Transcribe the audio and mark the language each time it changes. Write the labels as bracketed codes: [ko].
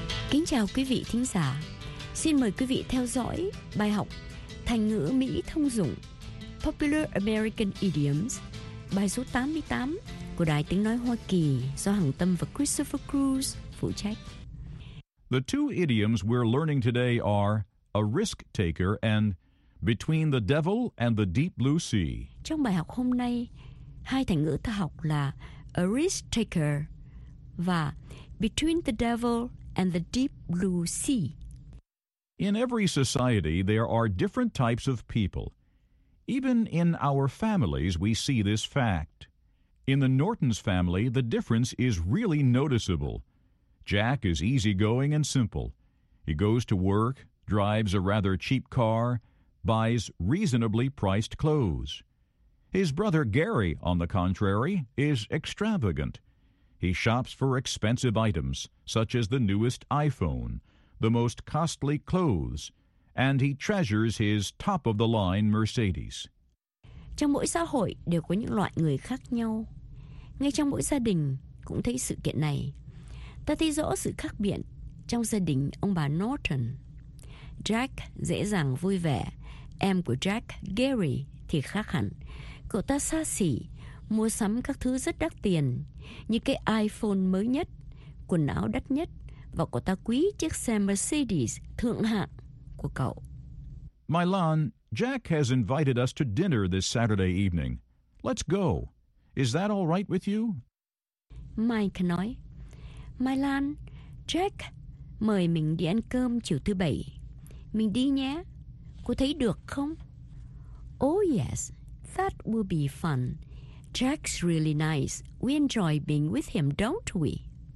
[vi] Kính chào quý vị thính giả. Xin mời quý vị theo dõi bài học thành ngữ Mỹ thông dụng [en] Popular American Idioms, [vi] bài số 88 của Đài Tiếng Nói Hoa Kỳ do Hằng Tâm và Christopher Cruz phụ trách. [en] The two idioms we're learning today are a risk taker and between the devil and the deep blue sea. [vi] Trong bài học hôm nay, hai thành ngữ ta học là [en] a risk taker [vi] và [en] between the devil and the deep blue sea. In every society, there are different types of people. Even in our families, we see this fact. In the Norton's family, the difference is really noticeable. Jack is easygoing and simple. He goes to work, drives a rather cheap car, buys reasonably priced clothes. His brother Gary, on the contrary, is extravagant. He shops for expensive items, such as the newest iPhone, the most costly clothes, and he treasures his top-of-the-line Mercedes. [vi] Trong mỗi xã hội đều có những loại người khác nhau. Ngay trong mỗi gia đình cũng thấy sự kiện này. Ta thấy rõ sự khác biệt trong gia đình ông bà Norton. Jack dễ dàng vui vẻ, em của Jack, Gary, thì khác hẳn. Cậu ta xa xỉ, mua sắm các thứ rất đắt tiền, như cái iPhone mới nhất, quần áo đắt nhất, và cậu ta quý chiếc xe Mercedes thượng hạng của cậu. [en] Milan, Jack has invited us to dinner this Saturday evening. Let's go. Is that all right with you? [vi] Mike nói, Milan, Jack mời mình đi ăn cơm chiều thứ bảy. Mình đi nhé. Cô thấy được không? [en] Oh yes, that will be fun. Jack's really nice. We enjoy being with him, don't we?